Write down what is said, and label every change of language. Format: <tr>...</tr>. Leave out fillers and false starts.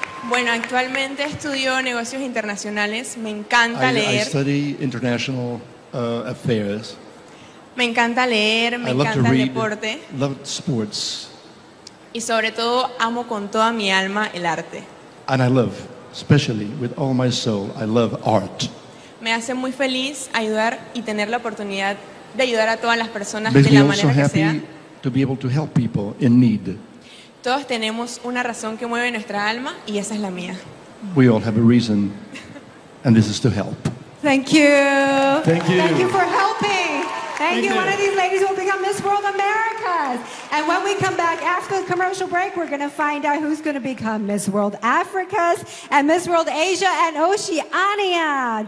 <es>Bueno, actualmente estudio negocios internacionales. Me encanta leer.</es> <en>I study international affairs.</en> <es>Me encanta leer, me encanta el deporte.</es> <en>I love sports.</en> <es>Y sobre todo amo con toda mi alma el arte.</es> <en>And I love, especially with all my soul, I love art.</en> <es>Me hace muy feliz ayudar y tener la oportunidad de ayudar a todas las personas de la manera que sea.</es> <en>Makes me also happy to be able to help people in need.</en> <es>Todos tenemos una razón que mueve nuestra alma y esa es la mía.</es> <en>We all have a reason and this is to help. Thank you. Thank you. Thank you for helping. Thank you. One of these ladies will become Miss World Americas. And when we come back after the commercial break, we're going to find out who's going to become Miss World Africas and Miss World Asia and Oceania.</en>